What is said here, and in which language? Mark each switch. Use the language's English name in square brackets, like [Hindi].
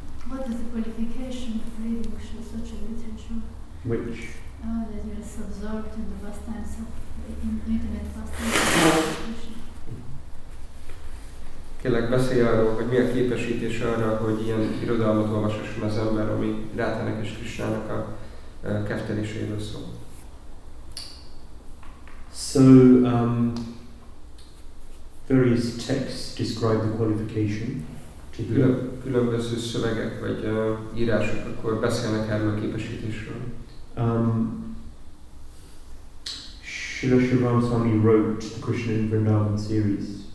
[English] What is the qualification of Vibhusha, such a literature? Which? That you are so absorbed in the pastimes of intimate pastimes of [Hungarian] Kérlek, beszélj arról, hogy mi a képesítés arra, hogy ilyen irodalmat olvashasson az ember, ami Rátának és Krisnának a kefteléséről szól. [English] So, various texts describe the qualification. [Hungarian] Különböző szövegek vagy írások akkor beszélnek erről a képesítésről. [English] Srila Sivaram Swami wrote the Krishna in Vrindavan series.